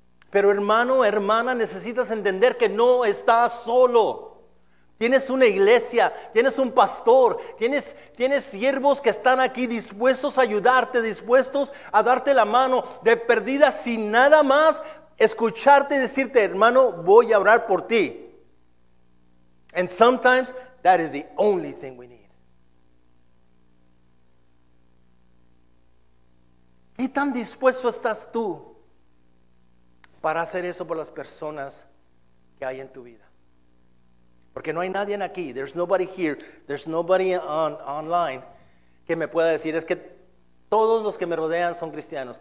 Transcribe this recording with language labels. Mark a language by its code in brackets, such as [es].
[es] Pero hermano, hermana, necesitas entender que no estás solo. Tienes una iglesia, tienes un pastor, tienes siervos que están aquí dispuestos a ayudarte, dispuestos a darte la mano de perdida sin nada más escucharte y decirte, hermano, voy a orar por ti. [en] And sometimes that is the only thing we need. [es] ¿Qué tan dispuesto estás tú para hacer eso por las personas que hay en tu vida? Porque no hay nadie aquí. [en] There's nobody here. There's nobody online [es] que me pueda decir, es que todos los que me rodean son cristianos.